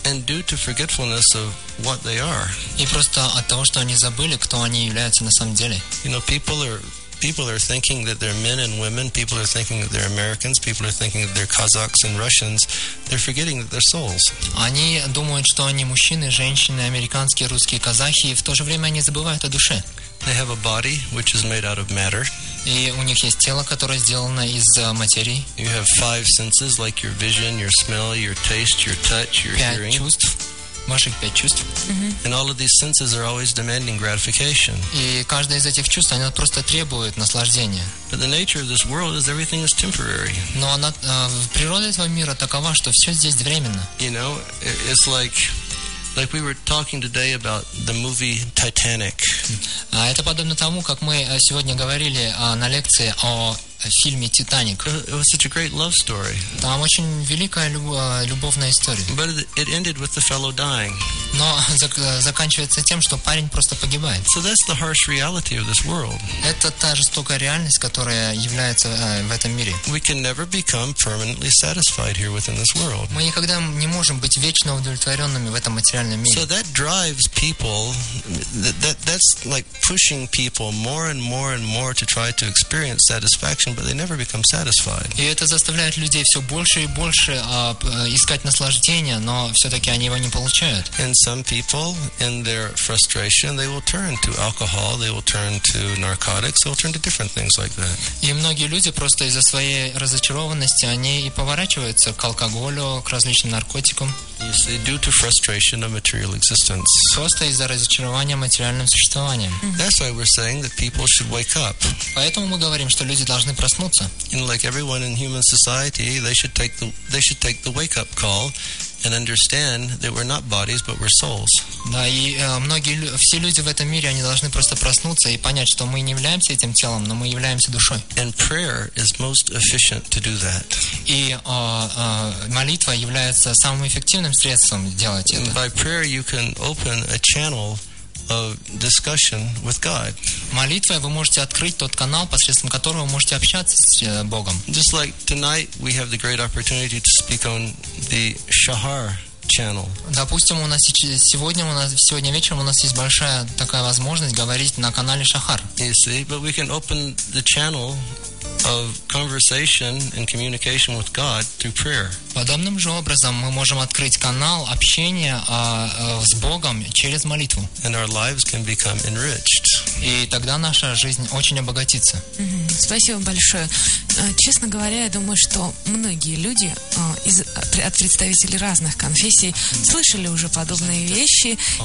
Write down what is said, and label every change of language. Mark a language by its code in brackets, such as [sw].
[en] And due to forgetfulness of what they are. [ru] И просто от того, что они забыли, кто они являются на самом деле. [en] You know, people are thinking that they're men and women. People are thinking that they're Americans. People are thinking that they're Kazakhs and Russians. They're forgetting that they're souls. [ru] Они думают, что они мужчины, женщины, американские, русские, казахи, и в то же время они забывают о душе. [en] They have a body which is made out of matter. [ru] И у них есть тело, которое сделано из материи. [en] You have five senses, like your vision, your smell, your taste, your touch, your [ru] пять [en] hearing. [ru] Чувств. Ваших пять чувств. Mm-hmm. [en] And all of these senses are always demanding gratification. [ru] И каждое из этих чувств, оно просто требует наслаждения. [en] But the nature of this world is everything is temporary. [ru] Но она, природа этого мира такова, что все здесь временно. [en] You know, it's like we were talking today about the movie Titanic. [ru] А это подобно тому, как мы сегодня говорили на лекции о фильме «Титаник». [en] It was such a great love story. [ru] Там очень великая любовная история. [en] But it ended with the fellow dying. [ru] Но заканчивается тем, что парень просто погибает. [en] So that's the harsh reality of this world. [ru] Это та жестокая реальность, которая является в этом мире. [en] We can never become permanently satisfied here within this world. [ru] Мы никогда не можем быть вечно удовлетворенными в этом материальном мире. [en] So that drives people, that's like pushing people more and more and more to try to experience satisfaction. But they never become satisfied. [ru] И это заставляет людей все больше и больше искать наслаждения, но все-таки они его не получают. [en] And some people, in their frustration, they will turn to alcohol, they will turn to narcotics, they will turn to different things like that. [ru] И многие люди просто из-за своей разочарованности они и поворачиваются к алкоголю, к различным наркотикам. [en] Yes, due to frustration of material existence. [ru] Просто из-за разочарования материальным существованием. [en] That's why we're saying that people should wake up. [ru] Поэтому мы говорим, что люди должны проснуться. [en] And like everyone in human society, they should take the wake-up call and understand that we're not bodies, but we're souls. [ru] Да, и многие, все люди в этом мире, они должны просто проснуться и понять, что мы не являемся этим телом, но мы являемся душой. [en] And prayer is most efficient to do that. [ru] И молитва является самым эффективным средством делать это. [en] And by prayer you can open a channel of discussion with God. [ru] Молитвой вы можете открыть тот канал, посредством которого вы можете общаться с Богом. [en] Just like tonight we have the great opportunity to speak on the Shahar channel. [ru] Допустим, сегодня вечером у нас есть большая такая возможность говорить на канале Шахар. [en] You see, but we can open the channel of conversation and communication with God through prayer. [ru] Подобным же образом мы можем открыть канал общения с Богом через молитву. [en] And our lives can become enriched. [ru] И тогда наша жизнь очень обогатится. Mm-hmm. Спасибо большое. Честно говоря, я думаю, что многие люди от представителей разных конфессий слышали уже подобные вещи.